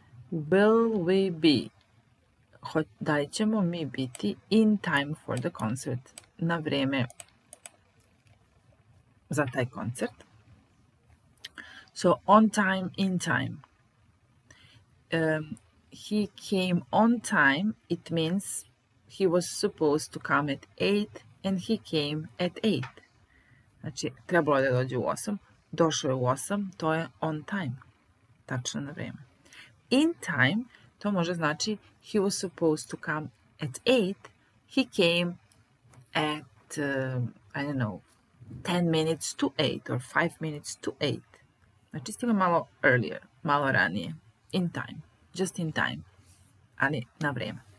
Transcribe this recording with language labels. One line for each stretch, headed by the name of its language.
English: Will we be?
Serbian: Da li ćemo mi biti
English: in time for the concert,
Serbian: na vreme za taj koncert?
English: So, on time, in time. He came on time, it means he was supposed to come at 8 and he came at 8.
Serbian: Znači, trebalo je da dođe u 8, došao je u 8, to je
English: on time,
Serbian: tačno na vreme.
English: In time,
Serbian: to može znači
English: he was supposed to come at 8, he came at, I don't know, 10 minutes to 8 or 5 minutes to 8.
Serbian: Znači stigao malo
English: earlier,
Serbian: malo ranije,
English: in time, just in time,
Serbian: ali na vreme.